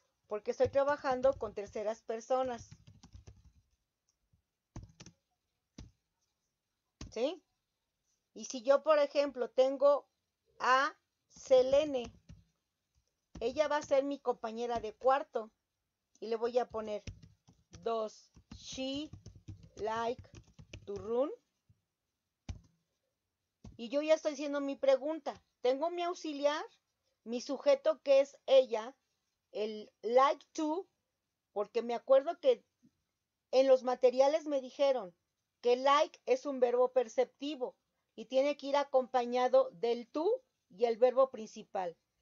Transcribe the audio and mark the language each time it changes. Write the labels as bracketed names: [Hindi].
[Spanish] Porque estoy trabajando con terceras personas. ¿Sí? Y si yo, por ejemplo, tengo a Selene, ella va a ser mi compañera de cuarto. Y le voy a poner, [English] does she like to run? [Spanish] Y yo ya estoy haciendo mi pregunta. Tengo mi auxiliar, mi sujeto que es ella, el like to, porque me acuerdo que en los materiales me dijeron que like es un verbo perceptivo y tiene que ir acompañado del to y el verbo principal.